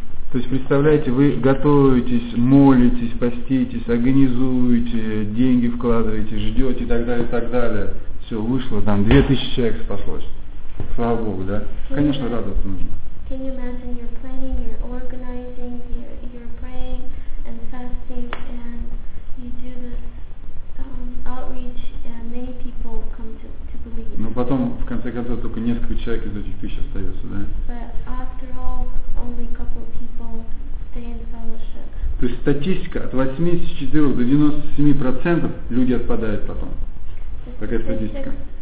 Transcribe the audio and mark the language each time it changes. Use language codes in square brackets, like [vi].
[ru] То есть, представляете, вы готовитесь, молитесь, поститесь, организуете, деньги вкладываете, ждете и так далее, и так далее. Все, вышло, там 2000 человек спаслось. Слава Богу, да? Конечно, радоваться нужно. [en] Can you imagine you're planning, you're organizing, you're praying and fasting, and you do this outreach, and many people come to believe. [ru] Но потом, в конце концов, только несколько человек из этих тысяч остается, да? [en] But after all, only a couple of people stay in fellowship. [ru] То есть статистика, от 84 до 97% люди отпадают потом. Такая статистика.